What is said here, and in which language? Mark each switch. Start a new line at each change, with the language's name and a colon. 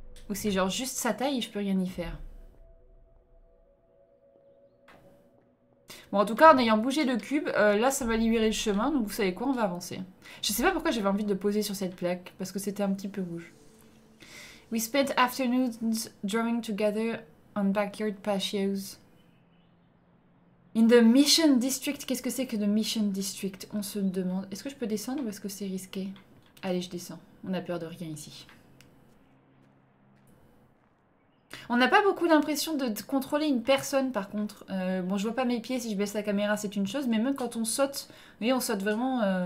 French: Ou c'est genre juste sa taille et je peux rien y faire? Bon, en tout cas, en ayant bougé le cube, là, ça m'a libéré le chemin, donc vous savez quoi, on va avancer. Je sais pas pourquoi j'avais envie de poser sur cette plaque, parce que c'était un petit peu rouge.
English: We spent afternoons drawing together on backyard patios. In the Mission District,
French: qu'est-ce que c'est que the Mission District? On se demande. Est-ce que je peux descendre ou est-ce que c'est risqué? Allez, je descends. On n'a peur de rien ici. On n'a pas beaucoup l'impression de contrôler une personne, par contre. Bon, je vois pas mes pieds, si je baisse la caméra, c'est une chose. Mais même quand on saute, oui, on saute vraiment...